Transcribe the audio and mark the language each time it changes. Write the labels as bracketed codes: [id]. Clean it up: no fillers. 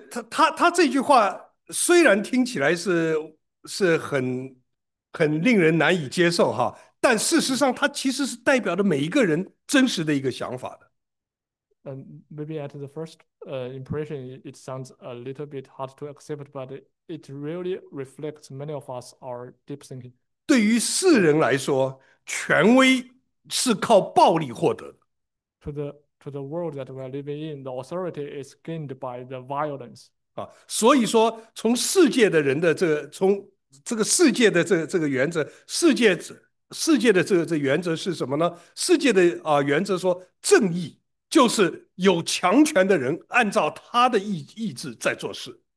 [zh] 他这句话虽然听起来是很令人难以接受哈，但事实上它其实是代表着每一个人真实的一个想法的。 [en] Maybe at the first impression, it sounds a little bit hard to accept, but it really reflects many of us our deep thinking. [zh] 对于世人来说，权威是靠暴力获得的。 [en] To the world that we are living in, the authority is gained by the violence. [zh] 啊，所以说从世界的人的这个、从这个世界的这个原则，世界的这个、原则是什么呢？世界的原则说正义。就是有强权的人按照他的意志在做事。